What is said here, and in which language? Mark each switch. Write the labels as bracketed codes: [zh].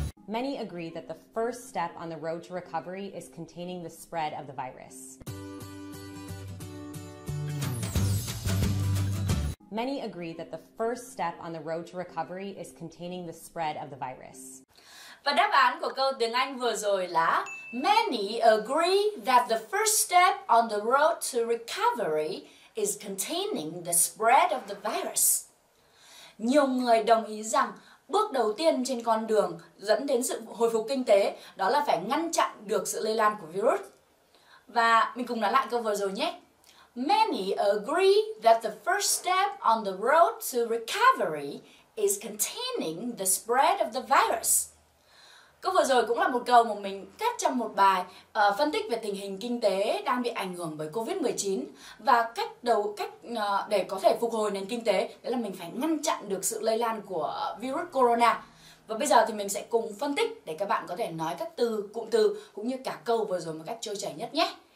[en] Many agree that the first step on the road to recovery is containing the spread of the virus. Many agree that the first step on the road to recovery is containing the spread of the virus. [vi] Và đáp án của câu tiếng Anh vừa rồi là [en] Many agree that the first step on the road to recovery is containing the spread of the virus. [vi] Nhiều người đồng ý rằng bước đầu tiên trên con đường dẫn đến sự hồi phục kinh tế đó là phải ngăn chặn được sự lây lan của virus. Và mình cùng nói lại câu vừa rồi nhé. [en] Many agree that the first step on the road to recovery is containing the spread of the virus. [vi] Câu vừa rồi cũng là một câu mà mình cắt trong một bài phân tích về tình hình kinh tế đang bị ảnh hưởng bởi Covid-19 và cách để có thể phục hồi nền kinh tế đó là mình phải ngăn chặn được sự lây lan của virus corona. Và bây giờ thì mình sẽ cùng phân tích để các bạn có thể nói các từ, cụm từ cũng như cả câu vừa rồi một cách trôi chảy nhất nhé.